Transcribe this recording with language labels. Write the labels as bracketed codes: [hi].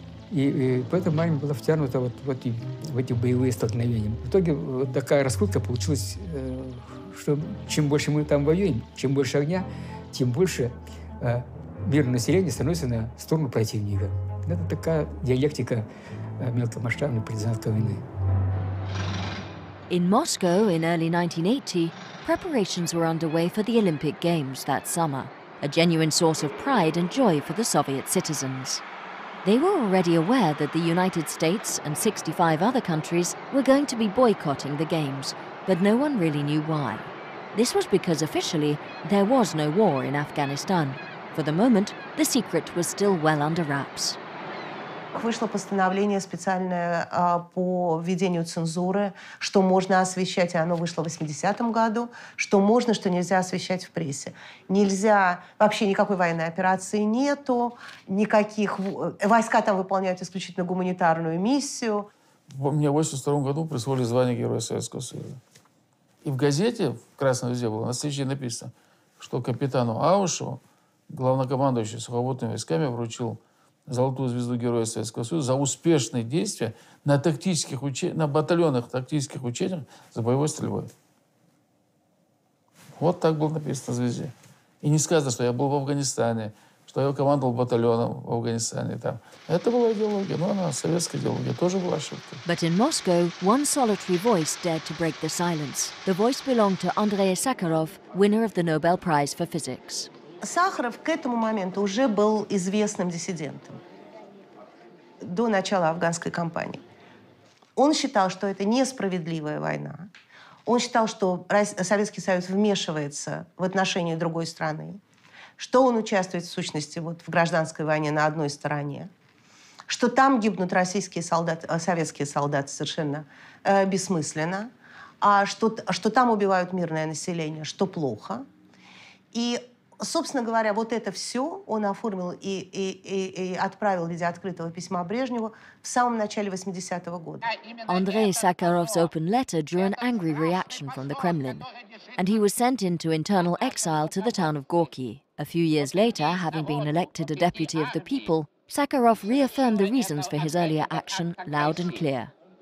[ru] И поэтому армия была втянута в эти боевые столкновения. В итоге вот такая раскрутка получилась, что чем больше мы там воюем, чем больше огня, тем больше мирное население становится на сторону противника. Это такая диалектика мелкомасштабной партизанской войны. [en] In Moscow in early 1980, preparations were underway for the Olympic Games that summer, a genuine source of pride and joy for the Soviet citizens. They were already aware that the United States and 65 other countries were going to be boycotting the Games, but no one really knew why. This was because officially, there was no war in Afghanistan. For the moment, the secret was still well under wraps. [ru] Вышло постановление специальное по введению цензуры, что можно освещать, и оно вышло в 80-м году, что можно, что нельзя освещать в прессе. Нельзя, вообще никакой военной операции нету, никаких, войска там выполняют исключительно гуманитарную миссию. Мне в 82-м году присвоили звание Героя Советского Союза. И в газете, в «Красной звезде» было на встрече написано, что капитану Аушеву, главнокомандующий сухопутными войсками, вручил Золотую звезду Героя Советского Союза за успешные действия на тактических на батальонных тактических учениях за боевой стрельбой. Вот так было написано в звезде. И не сказано, что я был в Афганистане, что я командовал батальоном в Афганистане. Там. Это была идеология, но она советская идеология, тоже была ошибка. [en] But in Moscow, one solitary voice dared to break the silence. The voice belonged to Andrei Sakharov, winner of the Nobel Prize for Physics. [ru] Сахаров к этому моменту уже был известным диссидентом до начала афганской кампании. Он считал, что это несправедливая война. Он считал, что Советский Союз вмешивается в отношения другой страны, что он участвует в сущности вот, в гражданской войне на одной стороне, что там гибнут российские солдаты, советские солдаты совершенно бессмысленно, а что там убивают мирное население, что плохо. И Собственно говоря, вот это все он оформил и отправил в виде открытого письма Брежневу в самом начале 80-го года. [en] Андрей Сакаров's open letter drew an angry reaction from the Kremlin, and he was sent into internal exile to the town of Gorky. A few years later, having been elected a deputy of the people, Сакаров reaffirmed the reasons for his earlier action loud and clear.